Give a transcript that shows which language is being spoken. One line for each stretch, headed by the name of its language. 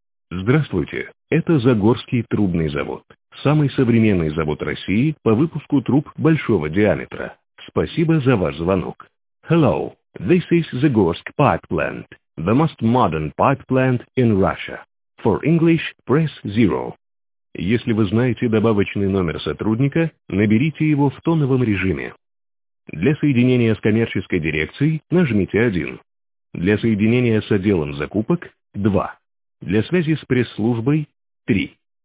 Russian: Здравствуйте, это Загорский трубный завод. Самый современный завод России по выпуску труб большого диаметра. Спасибо за ваш звонок.
English: Hello, this is Zagorsk Pipe Plant, the most modern pipe plant in Russia. For English, press 0.
Russian: Если вы знаете добавочный номер сотрудника, наберите его в тоновом режиме. Для соединения с коммерческой дирекцией нажмите 1. Для соединения с отделом закупок – 2. Для связи с пресс-службой – 3.